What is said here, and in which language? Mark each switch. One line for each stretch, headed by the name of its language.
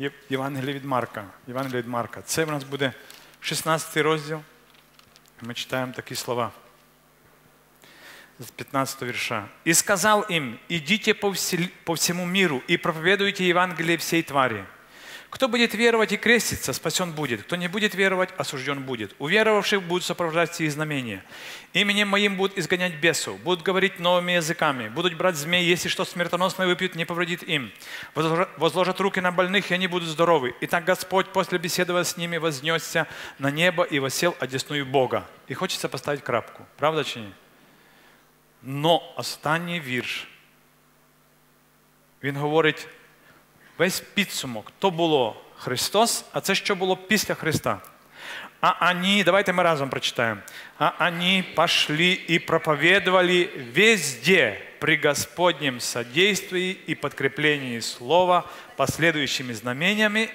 Ukrainian: Євангеліє від Марка. Це в нас буде 16 розділ. Ми читаємо такі слова. З 15 вірша. І сказав їм, ідіть по всьому міру і проповідуйте Євангеліє всій тварі.
Russian: Кто будет веровать и креститься, спасен будет. Кто не будет веровать, осужден будет. Уверовавших будут сопровождать все знамения. Именем моим будут изгонять бесов, будут говорить новыми языками, будут брать змей, если что смертоносное выпьют, не повредит им. Возложат руки на больных, и они будут здоровы. И так Господь, после беседы с ними, вознесся на небо и воссел одесную Бога. И хочется поставить
Ukrainian: крапку. Правда, чи? Но останній вірш, він говорить весь підсумок, то було Христос, а це що було після Христа. А вони, давайте ми разом прочитаємо, а вони пішли і проповедували
Russian: везде при Господнім содействии
Ukrainian: і підкріпленні слова послідуючими знаменнями.